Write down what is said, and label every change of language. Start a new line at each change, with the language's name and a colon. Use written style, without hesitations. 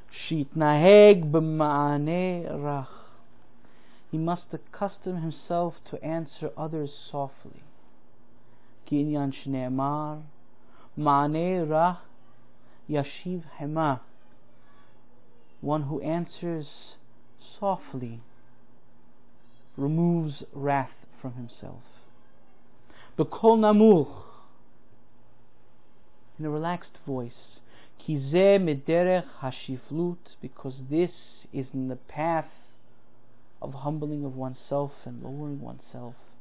Hebrew: שיתנהג במענה רך.
English: He must accustom himself to answer others softly.
Hebrew: כי עניין שנאמר, מענה רך ישיב חמה.
English: One who answers softly removes wrath from himself.
Hebrew: בקול נמוך,
English: in a relaxed voice,
Hebrew: Kize mederech hashiflut,
English: because this is in the path of humbling of oneself and lowering oneself.